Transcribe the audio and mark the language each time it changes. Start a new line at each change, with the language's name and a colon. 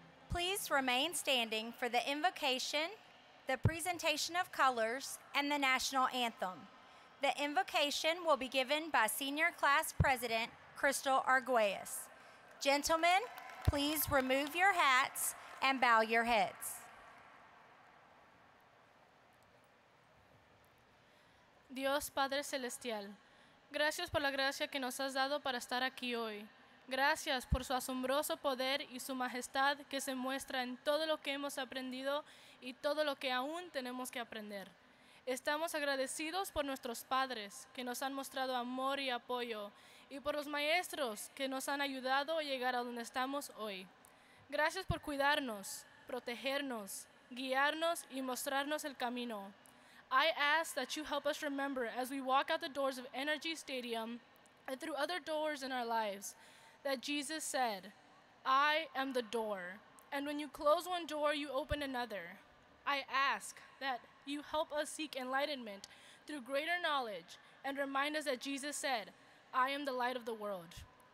English: please remain standing for the invocation, the presentation of colors, and the national anthem. The invocation will be given by Senior Class President Crystal Arguelles. Gentlemen, please remove your hats and bow your heads.
Spanish: Dios Padre Celestial, gracias por la gracia que nos has dado para estar aquí hoy. Gracias por su asombroso poder y su majestad que se muestra en todo lo que hemos aprendido y todo lo que aún tenemos que aprender. Estamos agradecidos por nuestros padres que nos han mostrado amor y apoyo y por los maestros que nos han ayudado a llegar a donde estamos hoy. Gracias por cuidarnos, protegernos, guiarnos y mostrarnos el camino.
English: I ask that you help us remember as we walk out the doors of Energy Stadium and through other doors in our lives that Jesus said, I am the door. And when you close one door, you open another. I ask that you help us seek enlightenment through greater knowledge and remind us that Jesus said, I am the light of the world.